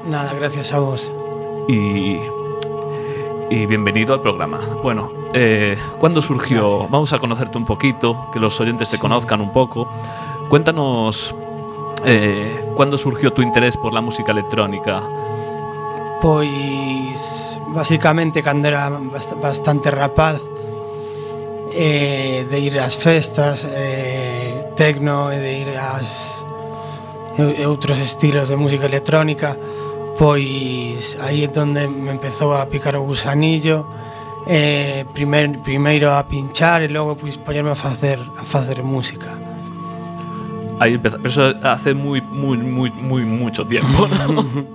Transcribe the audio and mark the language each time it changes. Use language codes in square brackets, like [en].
[es] Nada, gracias a vos. Y bienvenido al programa. Bueno, ¿cuándo surgió? Gracias. Vamos a conocerte un poquito, que los oyentes te conozcan un poco. Cuéntanos, ¿cuándo surgió tu interés por la música electrónica? [gl] Pues, básicamente, cuando era bastante rapaz, de ir ás festas tecno e de ir ás outros estilos de música electrónica, pois aí é onde me empezou a picar o gusanillo, primeiro a pinchar e logo pois poñerme a facer música. Aí empezou, [es] pero eso hace [gl] moito tempo, ¿no?